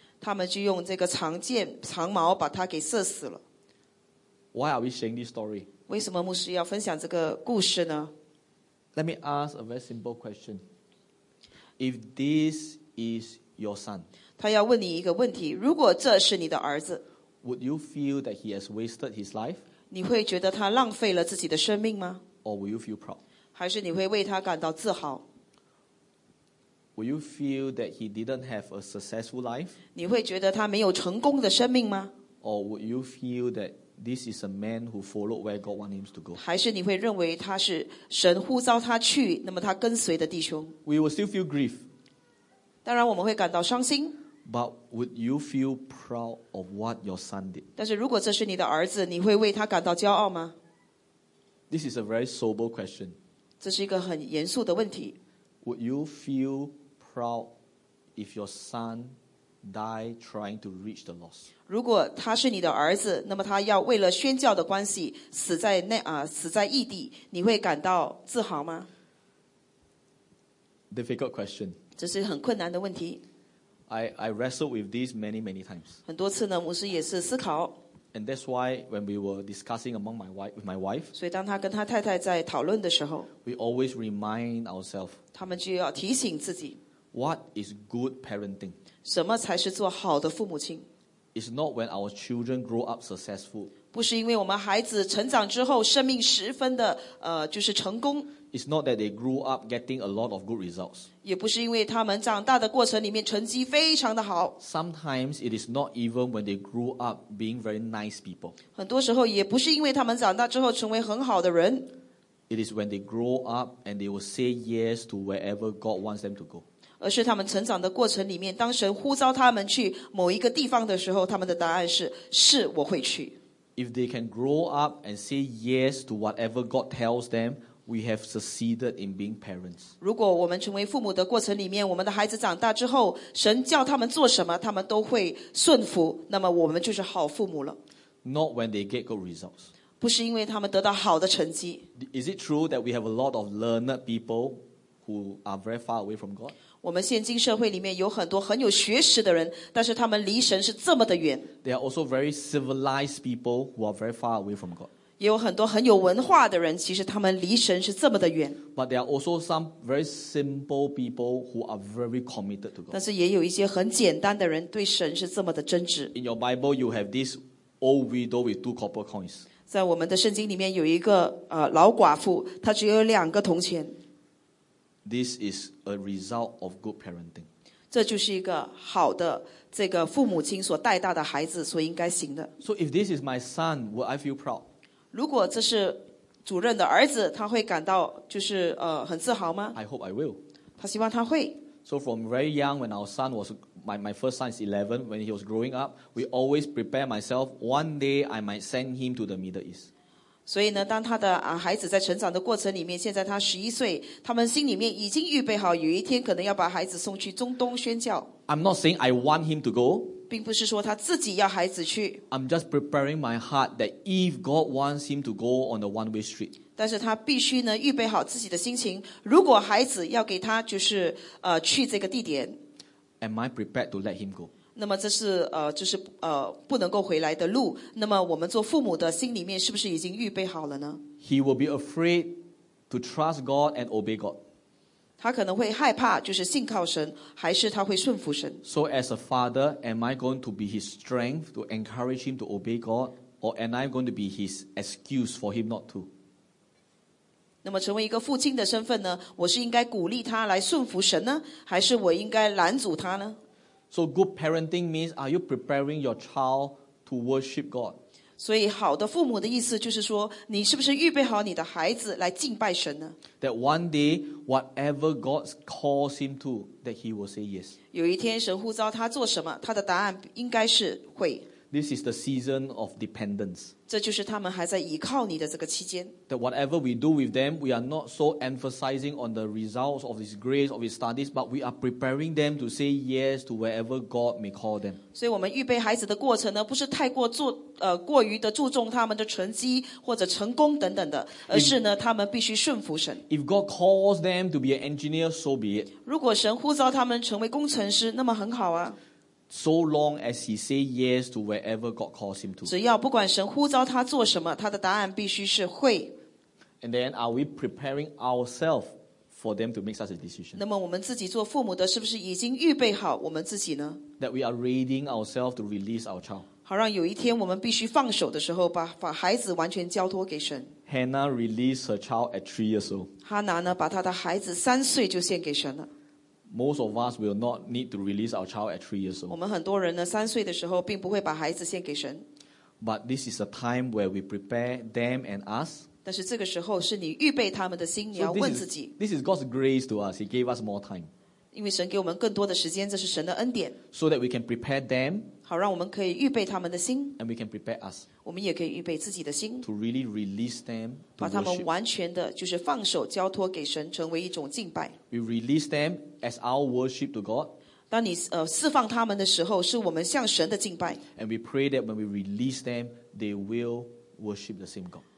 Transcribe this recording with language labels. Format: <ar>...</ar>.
<zh>他们就用这个长剑长矛把他给射死了。</zh> <en>Why are we sharing this story?</en> <zh>为什么牧师要分享这个故事呢?</zh> <en>Let me ask a very simple question. If this is your son,</en> <zh>他要问你一个问题，如果这是你的儿子,</zh> <en>would you feel that he has wasted his life?</en> <zh>你会觉得他浪费了自己的生命吗?</zh> <en>Or will you feel proud?</en> <zh>还是你会为他感到自豪?</zh> <en>Will you feel that he didn't have a successful life?</en> <zh>你会觉得他没有成功的生命吗?</zh> <en>Or would you feel that this is a man who followed where God wants him to go?</en> <zh>还是你会认为他是神呼召他去, 那么他跟随的弟兄?</zh> <en>We will still feel grief.</en> <zh>当然我们会感到伤心。</zh> <en>But would you feel proud of what your son did?</en> <zh>但是如果这是你的儿子, 你会为他感到骄傲吗?</zh> <en>This is a very sober question.</en> <zh>这是一个很严肃的问题。</zh> <en>Would you feel proud if your son die trying to reach the lost?</en> <zh>如果他是你的儿子, 那么他要为了宣教的关系, 死在异地, 你会感到自豪吗?</zh> <en>Difficult question.</en> <zh>这是很困难的问题。</zh> <en>I wrestled with this many times.</en> <zh>很多次呢, 牧师也是思考。</zh> <en>And that's why when we were discussing among my wife, with my wife,</en> <zh>所以当他跟他太太在讨论的时候,</zh> <en>we always remind ourselves,</en> <zh>他们就要提醒自己,</zh> <en>What is good parenting?</en> <zh>什么才是做好的父母亲?</zh> <en>It's not when our children grow up successful.</en> <zh>不是因为我们孩子成长之后生命十分的, 就是成功。</zh> <en>It's not that they grew up getting a lot of good results.</en> <zh>也不是因为他们长大的过程里面成绩非常的好。</zh> <en>Sometimes it is not even when they grew up being very nice people.</en> <zh>很多时候也不是因为他们长大之后成为很好的人。</zh> <en>It is when they grow up and they will say yes to wherever God wants them to go.</en> <zh>而是他们成长的过程里面, 当神呼召他们去某一个地方的时候, 他们的答案是, 是, 我会去。</zh> <en>If they can grow up and say yes to whatever God tells them, we have succeeded in being parents.</en> <zh>如果我们成为父母的过程里面, 我们的孩子长大之后, 神叫他们做什么, 他们都会顺服, 那么我们就是好父母了。</zh> <en>Not when they get good results.</en> <zh>不是因为他们得到好的成绩。</zh> <en>Is it true that we have a lot of learned people who are very far away from God?</en> <zh>我们现今社会里面有很多很有学识的人, 但是他们离神是这么的远。</zh> <en>They are also very civilized people who are very far away from God.</en> <zh>也有很多很有文化的人, 其实他们离神是这么的远。</zh> <en>But there are also some very simple people who are very committed to God.</en> <zh>但是也有一些很简单的人, 对神是这么的真挚。</zh> <en>In your Bible, you have this old widow with two copper coins.</en> <zh>在我们的圣经里面有一个, 老寡妇, 她只有两个铜钱。</zh> <en>This is a result of good parenting.</en> <zh>这就是一个好的, 这个父母亲所带大的孩子所应该行的。</zh> <en>So if this is my son, would I feel proud?</en> <zh>如果这是主任的儿子, 他会感到就是, 很自豪吗?</zh> <en>I hope I will.</en> <zh>他希望他会。</zh> <en>So from very young, when our son was, my first son is 11, when he was growing up, we always prepare myself, one day I might send him to the Middle East.</en> <zh>所以呢, 当他的, 孩子在成长的过程里面, 现在他11岁, 他们心里面已经预备好, 有一天可能要把孩子送去中东宣教。</zh> <en>I'm not saying I want him to go.</en> <zh>并不是说他自己要孩子去。</zh> <en>I'm just preparing my heart that if God wants him to go on the one-way street,</en> <zh>但是他必须呢, 预备好自己的心情, 如果孩子要给他就是, 去这个地点,</zh> <en>am I prepared to let him go?</en> <zh>那么这是, 就是, 不能够回来的路, 那么我们做父母的心里面是不是已经预备好了呢?</zh> <en>He will be afraid to trust God and obey God.</en> <zh>他可能会害怕就是信靠神, 还是他会顺服神。</zh> <en>So as a father, am I going to be his strength to encourage him to obey God, or am I going to be his excuse for him not to?</en> <zh>那么成为一个父亲的身份呢, 我是应该鼓励他来顺服神呢, 还是我应该拦阻他呢?</zh> <en>So good parenting means, are you preparing your child to worship God?</en> <zh>所以好的父母的意思就是说, 你是不是预备好你的孩子来敬拜神呢?</zh> <en>That one day, whatever God calls him to, that he will say yes.</en> <zh>有一天神呼召他做什么, 他的答案应该是会。</zh> <en>This is the season of dependence.</en> <zh>这就是他们还在依靠你的这个期间。</zh> <en>That whatever we do with them, we are not so emphasizing on the results of his grace, of his studies, but we are preparing them to say yes to wherever God may call them.</en> <zh>所以我们预备孩子的过程呢, 不是太过做, 过于的注重他们的成绩或者成功等等的, 而是呢, 他们必须顺服神。</zh> <en>If God calls them to be an engineer, so be it.</en> <zh>如果神呼召他们成为工程师, 那么很好啊。</zh> <en>So long as he say yes to wherever God calls him to.</en> <zh>只要不管神呼召他做什么, 他的答案必须是会。</zh> <en>And then are we preparing ourselves for them to make such a decision?</en> <zh>那么我们自己做父母的是不是已经预备好我们自己呢?</zh> <en>That we are readying ourselves to release our child.</en> <zh>好让有一天我们必须放手的时候, 把孩子完全交托给神。</zh> <en>Hannah released her child at 3 years old.</en> <zh>哈娜呢, 把她的孩子3岁就献给神了。</zh> <en>Most of us will not need to release our child at 3 years old.</en> <zh>我们很多人呢, 3岁的时候, 并不会把孩子献给神。</zh> <en>But this is a time where we prepare them and us.</en> <zh>但是这个时候是你预备他们的心, 你要问自己。</zh> <en>So this is God's grace to us. He gave us more time.</en> <zh>因为神给我们更多的时间, 这是神的恩典。</zh> <en>So that we can prepare them.</en> <zh>好让我们可以预备他们的心。</zh> <en>And we can prepare us.</en> <zh>我们也可以预备自己的心。</zh> <en>To really release them.</en> <zh>把他们完全的就是放手交托给神, 成为一种敬拜。</zh> <en>We release them as our worship to God.</en> <zh>当你, 释放他们的时候, 是我们向神的敬拜。</zh> <en>And we pray that when we release them, they will worship the same God.</en>